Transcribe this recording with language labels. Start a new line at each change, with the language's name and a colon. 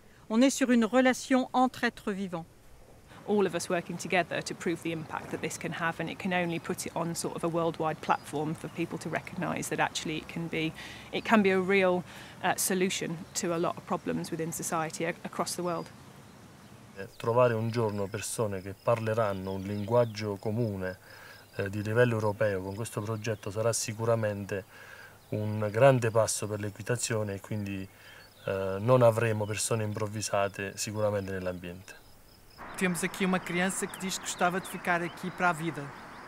French: On est sur une relation entre êtres vivants.
English: All of us working together to prove the impact that this can have, and it can only put it on sort of a worldwide platform for people to recognise that actually it can be a real solution to a lot of problems within society across the world.
Italian: Trovare un giorno persone che parleranno un linguaggio comune di livello europeo con questo progetto sarà sicuramente un grande passo per l'equitazione e quindi non avremo persone improvvisate sicuramente nell'ambiente.
Portuguese: Temos aqui uma criança que diz que gostava de ficar aqui para a vida.